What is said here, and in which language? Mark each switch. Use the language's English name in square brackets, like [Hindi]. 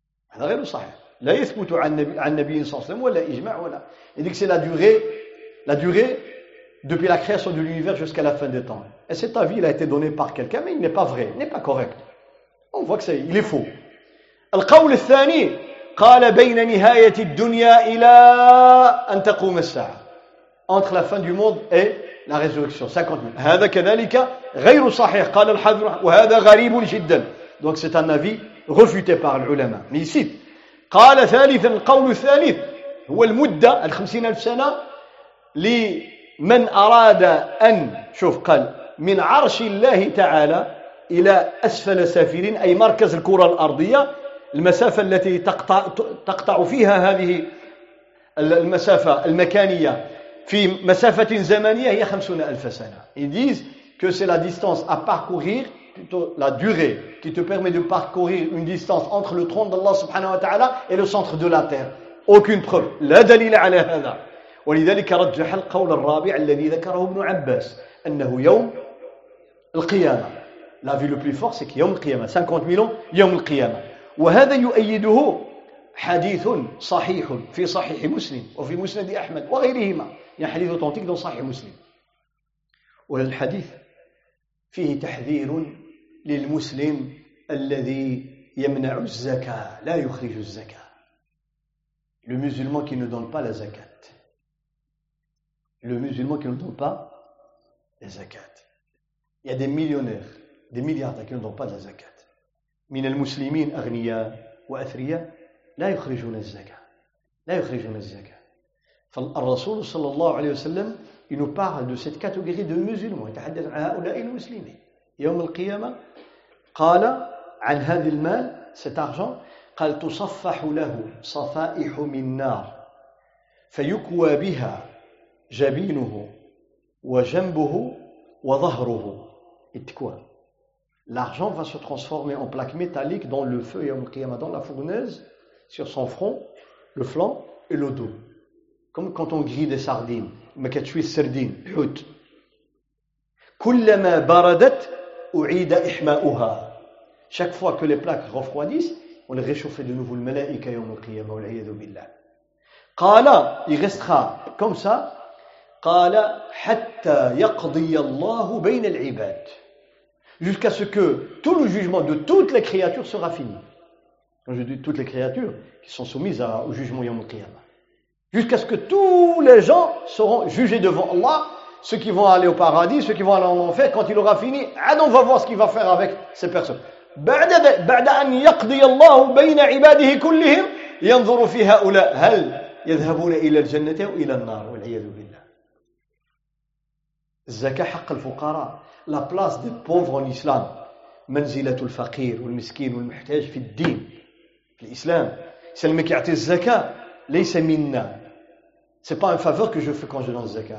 [Arabic] هذا غير صحيح لا يثبت عن نبي صلى الله عليه وسلم ولا إجماع ولا يقول [French] سي لا durée depuis la création de l'univers jusqu'à la fin des temps et cet avis il a été donné par quelqu'un mais il n'est pas vrai il n'est pas correct On voit que c'est, il est faux. [Arabic] القول الثاني قال بين نهاية الدنيا إلى أن تقوم الساعة. [French] Entre la fin du monde et la résurrection. [Arabic] 50,000. هذا كذلك غير صحيح. قال الحافظ وهذا غريب جدا. [French] Donc c'est un avis refuté par العلماء. Mais ici, [Arabic] قال ثالثا القول الثالث هو المدة الخمسين ألف سنة لمن أراد أن شوف قال من عرش الله تعالى إلى أسفل سافلين أي مركز الكرة الأرضية المسافة التي تقطع فيها هذه المسافة المكانية في مسافة زمنية هي 50,000 سنة. [French] Ils disent que c'est la distance à parcourir, plutôt la durée qui te permet de parcourir une distance entre le trône d'Allah subhanahu wa ta'ala et le centre de la terre. Aucune preuve. [Arabic] لا دليل على هذا. ولذلك رجح القول الرابع الذي ذكره ابن عباس أنه يوم القيامة. [French] La vie le plus fort, c'est que يوم القيامة. [Arabic] 50 000 ans, يوم القيامة. وهذا يؤيده حديث صحيح في صحيح مسلم وفي مسند أحمد وغيرهما. يعني حديث أوثنتيك في صحيح مسلم. والحديث فيه تحذير للمسلم الذي يمنع الزكاة لا يخرج الزكاة. [French] Le musulman qui ne donne pas la zakat. Le musulman qui ne donne pas la zakat. Il y a des millionnaires, des milliardaires qui ne donnent pas la zakat. [Arabic] من المسلمين أغنياء وأثرياء لا يخرجون الزكاة. لا يخرجون الزكاة. فالرسول صلى الله عليه وسلم [French] il nous parle de cette catégorie de musulmans. [Arabic] Il تحدث عن هؤلاء المسلمين. يوم القيامة قال عن هذا المال, [French] cet argent, [Arabic] قال تصفح له صفائح من نار فيكوى بها جبينه وجنبه وظهره. [French] L'argent va se transformer en plaque métallique dans le feu, يوم القيامة, dans la fournaise, sur son front, le flanc et le dos. Comme quand on grille des sardines. [Arabic] ما كتشوي السردين حوت. كلما بردت أعيد إحماؤها. [French] Chaque fois que les plaques refroidissent, on les réchauffe de nouveau. [Arabic] الملائكة يوم القيامة والعياذ بالله. [French] قال, il restera comme ça. [Arabic] قال حتى يقضي الله بين العباد. [French] Jusqu'à ce que tout le jugement de toutes les créatures sera fini. Quand je dis toutes les créatures qui sont soumises au jugement يوم القيامة. Jusqu'à ce que tous les gens seront jugés devant Allah, ceux qui vont aller au paradis, ceux qui vont aller en enfer, quand il aura fini, Adam va voir ce qu'il va faire avec ces personnes. [Arabic] بعد أن يقضي الله بين عباده كلهم ينظر في هؤلاء هل يذهبون إلى الجنة أو إلى النار والعياذ بالله. الزكاة حق الفقراء. [French] La place des pauvres en islam. [Arabic] منزلة الفقير والمسكين والمحتاج في الدين. في الإسلام. سلمك يعطي الزكاة. ليس منا. [French] C'est pas un faveur que je fais quand je donne zakat.